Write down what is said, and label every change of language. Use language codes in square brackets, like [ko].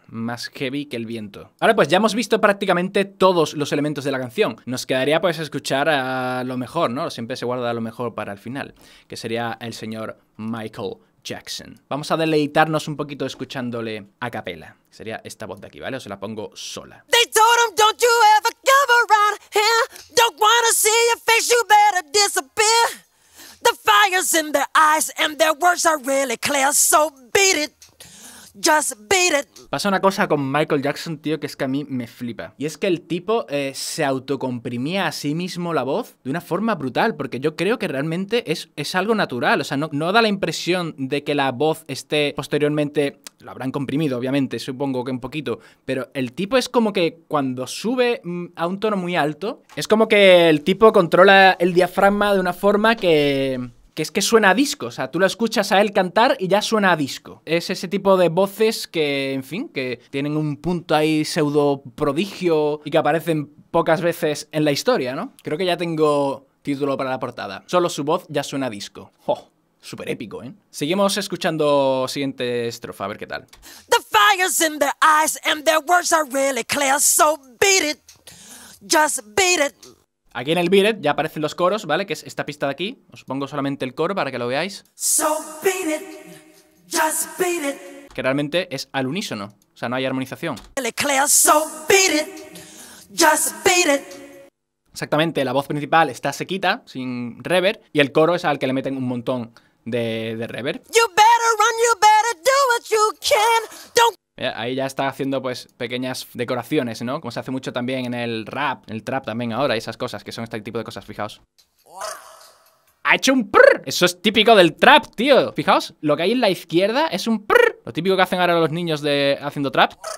[es] Más heavy que el viento. Ahora pues ya hemos visto prácticamente todos los elementos de la canción. Nos quedaría pues escuchar a lo mejor, ¿no? Siempre se guarda lo mejor para el final. Que sería el señor Michael Jackson. Vamos a deleitarnos un poquito escuchándole a capela. Sería esta voz de aquí, ¿vale? O se la pongo sola. [en] They told him, don't you ever come around here. Don't wanna see your face, you better disappear. The fire's in their eyes and their words are really clear. So beat it. Just beat it. [es] Pasa una cosa con Michael Jackson, tío, que es que a mí me flipa. Y es que el tipo se autocomprimía a sí mismo la voz de una forma brutal, porque yo creo que realmente es algo natural. O sea, no da la impresión de que la voz esté posteriormente... Lo habrán comprimido, obviamente, supongo que un poquito. Pero el tipo es como que cuando sube a un tono muy alto, es como que el tipo controla el diafragma de una forma que... que es que suena a disco. O sea, tú lo escuchas a él cantar y ya suena a disco. Es ese tipo de voces que, en fin, que tienen un punto ahí pseudo prodigio y que aparecen pocas veces en la historia, ¿no? Creo que ya tengo título para la portada. Solo su voz ya suena a disco. ¡Jo! Súper épico, ¿eh? Seguimos escuchando siguiente estrofa, a ver qué tal. [en] The fire's in their eyes and their words are really clear, so beat it, just beat it. [es] Aquí en el beat it ya aparecen los coros, ¿vale? Que es esta pista de aquí. Os pongo solamente el coro para que lo veáis. [en] So beat it, just beat it. [es] Que realmente es al unísono, o sea, no hay armonización. [en] Really clear, so beat it, just beat it. [es] Exactamente, la voz principal está sequita, sin reverb, y el coro es al que le meten un montón de reverb. [en] You better run, you better do what you can. [es] Ahí ya está haciendo pues pequeñas decoraciones, ¿no? Como se hace mucho también en el rap, el trap también ahora, y esas cosas, que son este tipo de cosas, fijaos. ¡Ha hecho un prrr! Eso es típico del trap, tío. Fijaos, lo que hay en la izquierda es un prrr. Lo típico que hacen ahora los niños de haciendo trap.